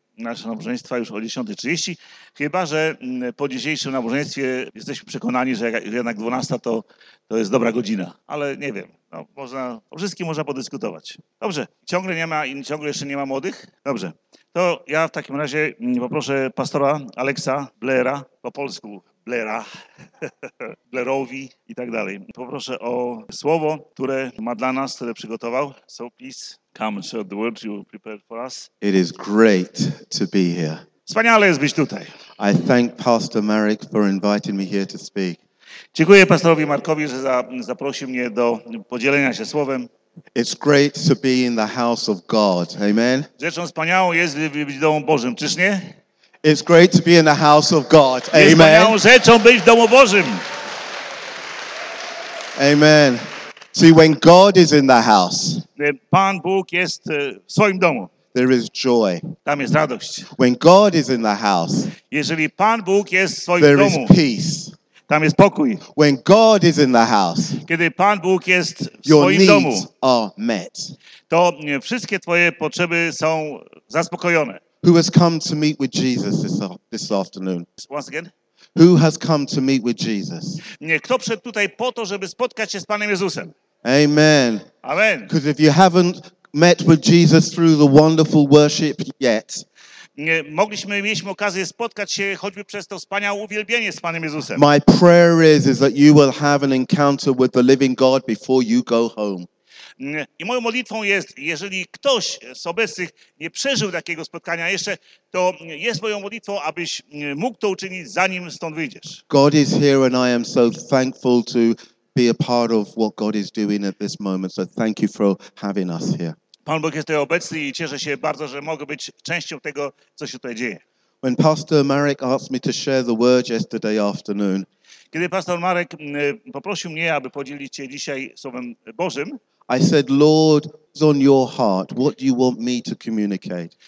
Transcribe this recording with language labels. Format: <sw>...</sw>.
<pl>nasze nabożeństwa już o 10:30, chyba że po dzisiejszym nabożeństwie jesteśmy przekonani, że jednak 12 to jest dobra godzina, ale nie wiem, no, można, o wszystkim można podyskutować. Dobrze, ciągle jeszcze nie ma młodych? Dobrze, to ja w takim razie poproszę pastora Alexa Blaira, po polsku Blaira, Blairowi i tak dalej. Poproszę o słowo, które ma dla nas, które przygotował.</pl> <en>So please come and share the word you prepared for us. It is great to be here.</en> <pl>Wspaniale jest być tutaj.</pl> <en>I thank Pastor Marek for inviting me here to speak.</en> <pl>Dziękuję pastorowi Markowi, że zaprosił mnie do podzielenia się słowem.</pl> <en>It's great to be in the house of God. Amen.</en> <pl>Rzeczą wspaniałą jest być w domu Bożym, czyż nie?</pl> <en>It's great to be in the house of God. Amen.</en> <pl>Jest wspaniałą rzeczą być w domu Bożym. Amen.</pl> <en>See, when God is in the house,</en> <pl>Pan Bóg jest w swoim domu.</pl> <en>There is joy.</en> <pl>Tam jest radość.</pl> <en>When God is in the house,</en> <pl>jeżeli Pan Bóg jest w swoim</pl> <en>there</en> <pl>domu,</pl> <en>is peace.</en> <pl>Tam jest pokój.</pl> <en>When God is in the house,</en> <pl>kiedy Pan Bóg jest w</pl> <en>your</en> <pl>swoim</pl> <en>needs</en> <pl>domu,</pl> <en>are met.</en> <pl>To wszystkie twoje potrzeby są zaspokojone.</pl> <en>Who has come to meet with Jesus this afternoon? Once again. Who has come to meet with Jesus?</en> <pl>Nie, kto przyszedł tutaj po to, żeby spotkać się z Panem Jezusem? Amen. Amen.</pl> <en>Because if you haven't met with Jesus through the wonderful worship yet,</en> <pl>nie, mieliśmy okazję spotkać się choćby przez to wspaniałe uwielbienie z Panem Jezusem.</pl> <en>My prayer is that you will have an encounter with the living God before you go home.</en> <pl>I moją modlitwą jest, jeżeli ktoś z obecnych nie przeżył takiego spotkania jeszcze, to jest moją modlitwą, abyś mógł to uczynić, zanim stąd wyjdziesz.</pl> <en>God is here and I am so thankful to be a part of what God is doing at this moment. So thank you for having us here.</en> <pl>Pan Bóg jest tutaj obecny i cieszę się bardzo, że mogę być częścią tego, co się tutaj dzieje.</pl> <en>When Pastor Marek asked me to share the word yesterday afternoon,</en> <pl>kiedy pastor Marek poprosił mnie, aby podzielić się dzisiaj Słowem Bożym,</pl> <en>I said, Lord, it's on your heart. What do you want me to communicate?</en>